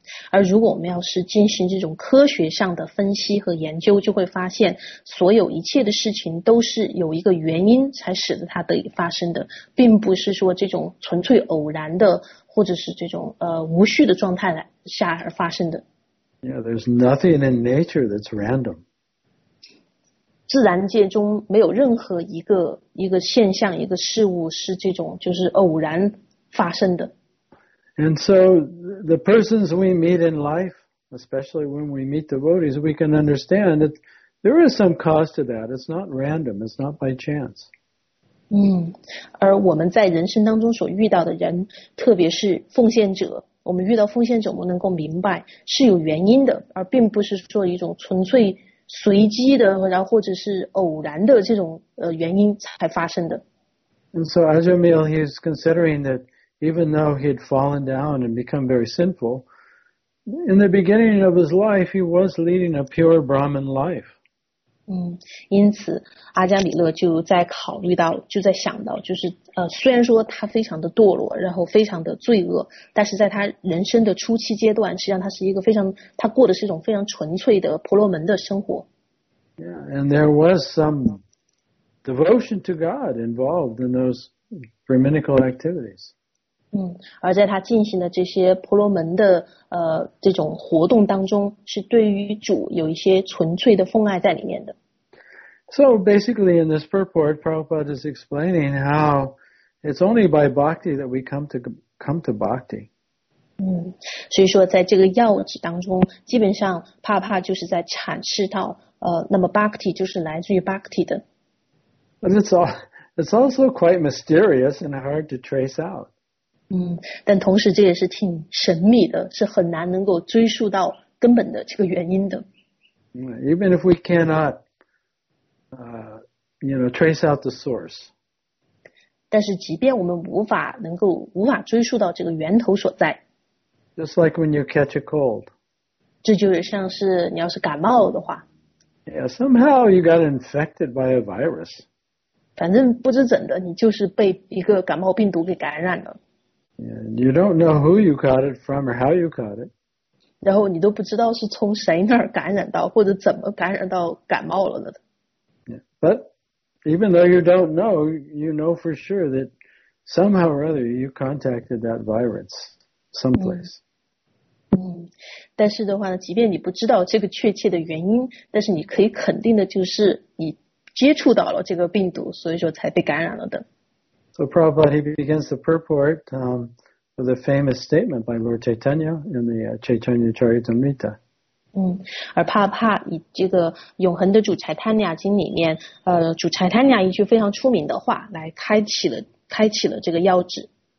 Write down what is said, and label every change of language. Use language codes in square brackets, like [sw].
[zh] 而如果我们要是进行这种科学上的分析和研究，就会发现所有一切的事情都是有一个原因才使得它得以发生的，并不是说这种纯粹偶然的或者是这种无序的状态下而发生的。 [en] Yeah, there's nothing in nature that's random. [zh] 自然界中没有任何一个现象一个事物是这种就是偶然发生的。 [en] And so the persons we meet in life, especially when we meet devotees, we can understand that there is some cause to that. It's not random. It's not by chance. [zh] 而我们在人生当中所遇到的人，特别是奉献者，我们遇到奉献者，我们能够明白是有原因的，而并不是说一种纯粹随机的，然后或者是偶然的这种原因才发生的。 [en] And so Ajamil, he's considering that. Even though he had fallen down and become very sinful, in the beginning of his life, he was leading a pure Brahman life. [zh] 因此阿加里勒就在考虑到，就在想到，就是虽然说他非常的堕落，然后非常的罪恶，但是在他人生的初期阶段，实际上他是一个非常，他过的是一种非常纯粹的婆罗门的生活。 [en] Yeah, and there was some devotion to God involved in those brahminical activities. [zh] 而在他进行的这些婆罗门的这种活动当中，是对于主有一些纯粹的奉爱在里面的。 [en] So basically in this purport, Prabhupada is explaining how it's only by bhakti that we come to bhakti. [zh] 所以说在这个要旨当中，基本上帕帕就是在阐释到那么 Bhakti 就是来自于 Bhakti 的。 [en] And it's also quite mysterious and hard to trace out. [zh] 但同时这也是挺神秘的，是很难能够追溯到根本的这个原因的。 [en] Even if we cannot, trace out the source. [zh] 但是即便我们无法能够无法追溯到这个源头所在。 [en] Just like when you catch a cold. [zh] 这就是像是你要是感冒的话。 [en] Yeah, somehow you got infected by a virus. [zh] 反正不知怎的，你就是被一个感冒病毒给感染了。 [en] You don't know who you got it from or how you got it. [zh] 然后你都不知道是从谁那儿感染到，或者怎么感染到感冒了的。 [en] But even though you don't know, you know for sure that somehow or other you contacted that virus someplace. [zh] 但是的话呢，即便你不知道这个确切的原因，但是你可以肯定的就是你接触到了这个病毒，所以说才被感染了的。 [en] So Prabhupada begins the purport with a famous statement by Lord Chaitanya in the Chaitanya Charitamrita. [zh] 而帕帕以这个永恒的主柴坦尼亚经里面，主柴坦尼亚一句非常出名的话，来开启了这个要旨。